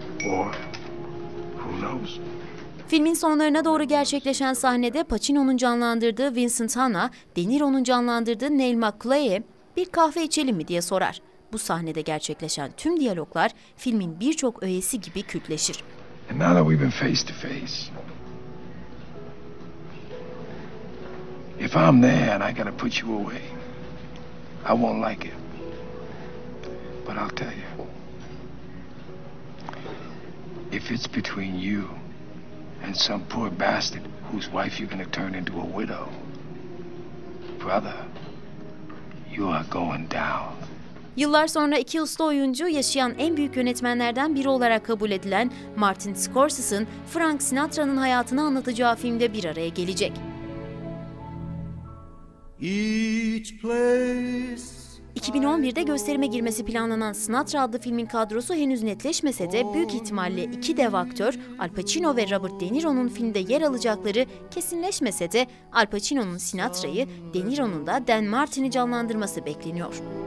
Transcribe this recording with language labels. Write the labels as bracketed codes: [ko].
[en] Or who knows? [tr] Filmin sonlarına doğru gerçekleşen sahnede Pacino'nun canlandırdığı Vincent Hanna, De Niro'nun canlandırdığı Neil McClay'e bir kahve içelim mi diye sorar. Bu sahnede gerçekleşen tüm diyaloglar filmin birçok öğesi gibi kültleşir. [en] And now that we've been face to face. If I'm there and I gotta put you away, I won't like it. But I'll tell you. If it's between you and some poor bastard whose wife you're gonna turn into a widow, brother, you are going down. [tr] Yıllar sonra iki usta oyuncu yaşayan en büyük yönetmenlerden biri olarak kabul edilen Martin Scorsese'in Frank Sinatra'nın hayatını anlatacağı filmde bir araya gelecek. Each place 2011'de gösterime girmesi planlanan Sinatra adlı filmin kadrosu henüz netleşmese de büyük ihtimalle iki dev aktör Al Pacino ve Robert De Niro'nun filmde yer alacakları kesinleşmese de Al Pacino'nun Sinatra'yı, De Niro'nun da Dan Martin'i canlandırması bekleniyor.